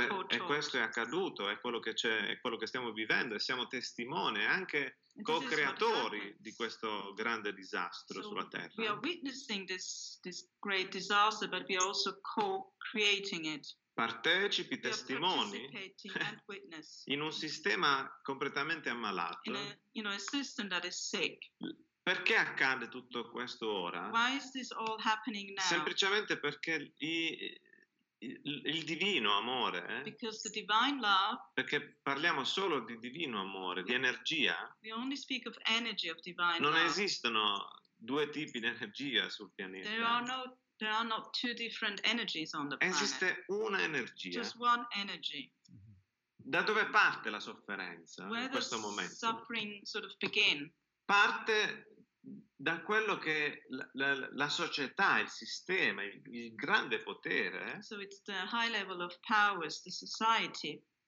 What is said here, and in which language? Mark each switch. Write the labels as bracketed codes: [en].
[it] e questo è accaduto, è quello che c'è, è quello che stiamo vivendo, e siamo testimoni anche co-creatori di questo grande disastro, [en] so [it] sulla Terra. [en] We are witnessing this great disaster, but we are also co-creating it. [it] Partecipi, testimoni, [en] and witness. [it] In un sistema completamente ammalato. [en] A system that is sick. [it] Perché accade tutto questo ora? [en] Why is this all happening now? [it] Semplicemente perché il divino amore, [en] because the divine love, [it] perché parliamo solo di divino amore, di energia, [en] we only speak of energy of divine [it] non [en] love. [it] Esistono due tipi di energia sul pianeta. [en] There are not two different energies on the planet. [it] Esiste una energia. [en] Just one energy. [it] Da dove parte la sofferenza? [en] Where [it] in questo momento? [en] Suffering sort of begin. [it] Parte da quello che la società, il sistema, il grande potere. [en] So it's the high level of powers, the society.